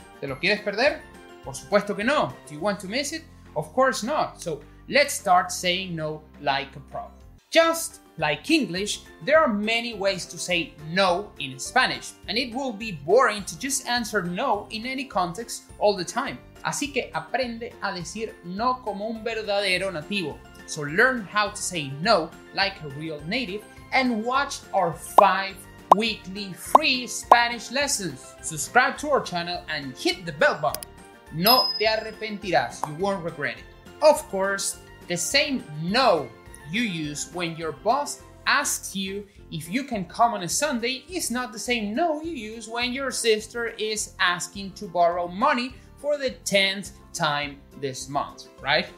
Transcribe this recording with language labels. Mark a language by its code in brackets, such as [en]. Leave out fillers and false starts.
[es] ¿Te lo quieres perder? Por supuesto que no. [en] Do you want to miss it? Of course not. So let's start saying no like a pro. Just like English, there are many ways to say no in Spanish, and it will be boring to just answer no in any context all the time. [es] Así que aprende a decir no como un verdadero nativo. [en] So learn how to say no like a real native and watch our 5 weekly free Spanish lessons. Subscribe to our channel and hit the bell button. [es] No te arrepentirás, [en] you won't regret it. Of course, the same no you use when your boss asks you if you can come on a Sunday is not the same no you use when your sister is asking to borrow money for the 10th time this month, right?